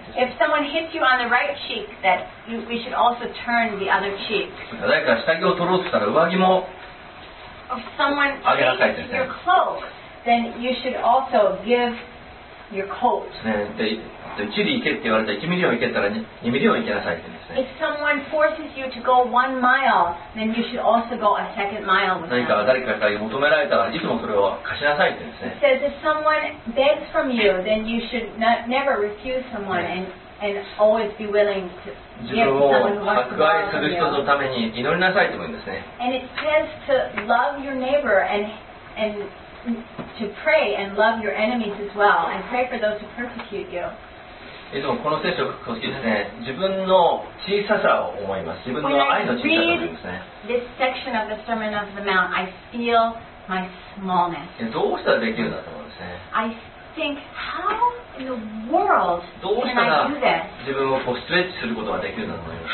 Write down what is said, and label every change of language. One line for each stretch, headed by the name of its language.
English: If someone hits you on the right cheek, that you, we should also turn the other cheek.
Japanese: 誰か下着を取ろうとしたら上着も。
English: If someone takes your cloak, then you should also give your coat.
Japanese: ね、で、1リー行けって言われたら1ミリオン行けたら 2ミリオン行けなさいってですね。
English: If someone forces you to go one mile, then you should also go a second mile with them.
Japanese: 何か誰かから求められたらいつもそれを貸しなさいってですね。
English: It says if someone begs from you, then you should not, never refuse someone and always be willing to give someone And it says to love your neighbor and to pray and love your enemies as well and pray for those who persecute you.
Japanese: いつもこの聖書を書くときですね、自分の小ささを思います。自分の愛の小ささを思いますね。
English: This section of the Sermon of the Mount, I feel my smallness.
Japanese: どうしたらできるんだと思うんですね。
English: I think, how in the world can I do this?
Japanese: どうしたら自分をこうストレッチすることができるんだと思います。